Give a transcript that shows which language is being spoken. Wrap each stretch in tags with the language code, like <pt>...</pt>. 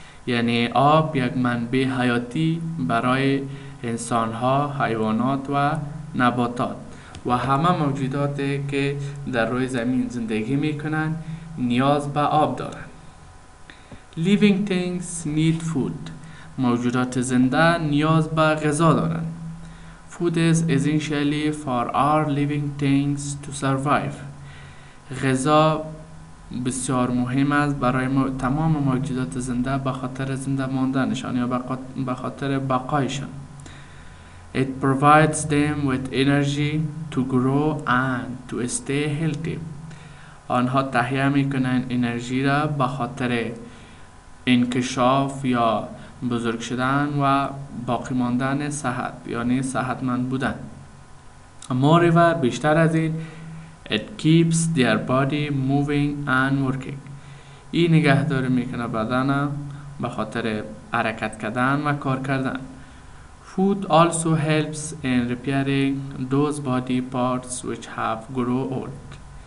<fa>یعنی آب یک منبع حیاتی برای انسان ها، حیوانات و نباتات و همه موجوداتی که در روی زمین زندگی می کنند نیاز به آب دارند.</fa> <en>Living things need food.</en> <fa>موجودات زنده نیاز به غذا دارند.</fa> <en>Food is essentially for our living things to survive.</en> <fa>غذا بسیار مهم است برای تمام موجودات زنده به خاطر زنده ماندنشان یا به خاطر بقایشان.</fa> <en>It provides them with energy to grow and to stay healthy.</en> <fa>آنها تهیه میکنند انرژی را به خاطر انکشاف یا بزرگ شدن و باقی ماندن صحت، یعنی صحتمند بودن.</fa> <en>Moreover,</en> <fa>بیشتر از این،</fa> <en>it keeps their body moving and working.</en> <fa>این نگهداری میکنه بدن به خاطر حرکت کردن و کار کردن.</fa> <en>Food also helps in repairing those body parts which have grown old.</en>